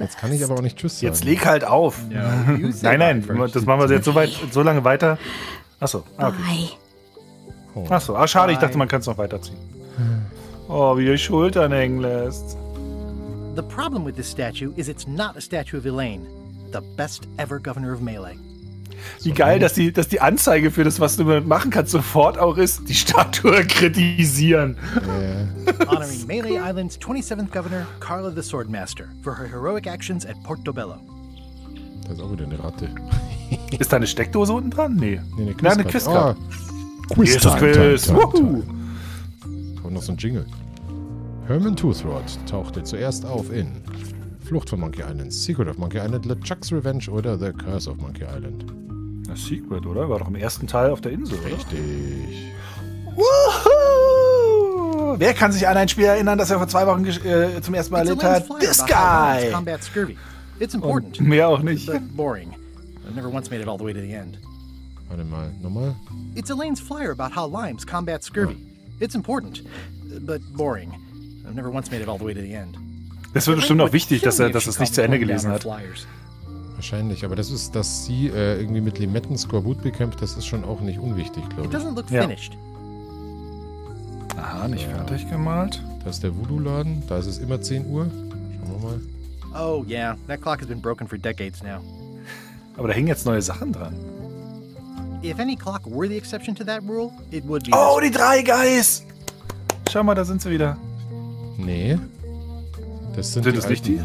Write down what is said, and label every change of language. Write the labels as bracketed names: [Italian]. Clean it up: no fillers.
[German] Jetzt kann ich aber auch nicht Tschüss sagen. Jetzt leg halt auf. No, nein, nein, das machen wir jetzt so, weit, so lange weiter. Achso, okay. Achso, ah, schade, ich dachte, man kann es noch weiterziehen. Oh, wie ihr Schultern hängen lässt. [English] The problem with this statue is it's not a statue of Elaine, the best ever governor of Melee. [German] Wie geil, dass die Anzeige für das, was du machen kannst, sofort auch ist, die Statue kritisieren. [English] Yeah. Honoring Melee cool. Island's 27th Governor, Carla the Swordmaster, for her heroic actions at Portobello. [German] Da ist auch wieder eine Ratte. Ist da eine Steckdose unten dran? Nee. Nee, eine Quizkarte. Oh. Quiz. Hier ist das Quiz. Kommt noch so ein Jingle. Herman Toothrot tauchte zuerst auf in Flucht von Monkey Island, Secret of Monkey Island, LeChuck's Revenge oder The Curse of Monkey Island. A Secret, oder? War doch im ersten Teil auf der Insel, richtig. Oder? Woohoo! Wer kann sich an ein Spiel erinnern, das er vor zwei Wochen zum ersten Mal erlebt hat? [English] This guy! It's important. [German] Und mehr auch nicht. [English] Boring. I never once made it all the way to the end. [German] Warte mal, nochmal. [English] It's Elaine's flyer about how limes combat scurvy. Oh. It's important, but boring. I've never once made it all the way to the end. [German] Das wird bestimmt noch wichtig, dass er es nicht zu Ende gelesen hat. Wahrscheinlich, aber das ist, dass sie irgendwie mit Limetten Skorbut bekämpft, das ist schon auch nicht unwichtig, glaube ich. [English] It doesn't look finished. [German] Ja. Aha, nicht fertig gemalt. Das ist der Voodoo-Laden, da ist es immer 10 Uhr. Schauen wir mal. [English] Oh yeah, that clock has been broken for decades now. [German] Aber da hängen jetzt neue Sachen dran. [English] If any clock were the exception to that rule, it would be... [German] Oh, die drei, guys! Schau mal, da sind sie wieder. Nee. Das sind das nicht die